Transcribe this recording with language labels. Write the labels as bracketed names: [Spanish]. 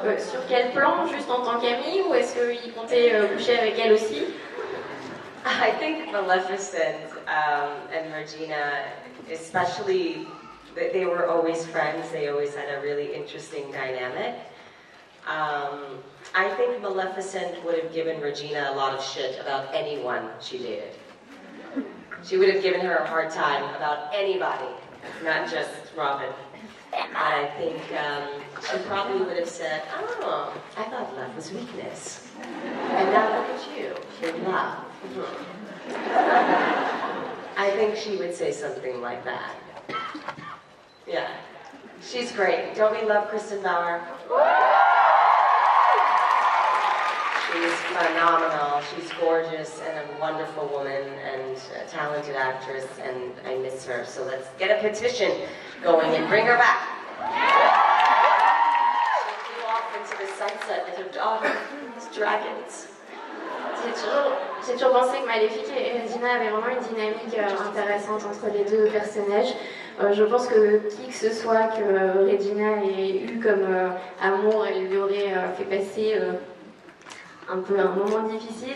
[French] Sur quel plan, juste en tant qu'ami, ou est-ce qu'il comptait coucher avec elle aussi? [English] I think Maleficent and Regina, especially, they were always friends. They always had a really interesting dynamic. I think Maleficent would have given Regina a lot of shit about anyone she dated. She would have given her a hard time about anybody, not just Robin. I think she probably would have said, oh, I thought love was weakness. And now look at you, you're love. I think she would say something like that. Yeah. She's great. Don't we love Kristen Bauer? She's phenomenal. She's gorgeous and a wonderful woman and a talented actress, and I miss her. So let's get a petition going and bring her back. Yeah. She flew off into the sunset with her daughter, his dragons. [French] J'ai toujours pensé que Maléfique et Regina avaient vraiment une dynamique intéressante entre les deux personnages. Je pense que qui que ce soit que Regina ait eu comme amour, elle lui aurait fait passer un peu un moment difficile.